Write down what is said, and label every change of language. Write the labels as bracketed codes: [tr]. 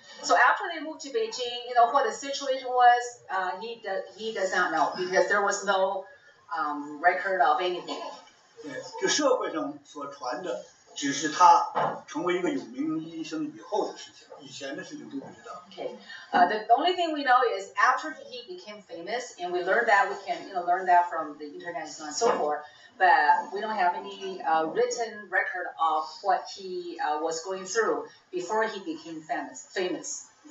[en] So after they moved to Beijing, you know what the situation was. He does not know because there was no record of anything. [zh] 对，就社会上所传的，只是他成为一个有名医生以后的事情，以前的事情都不知道。 [en] Okay, the only thing we know is after he became famous, and we learned that we can learn that from the internet and so forth. But we don't have any written record of what he was going through before he became famous.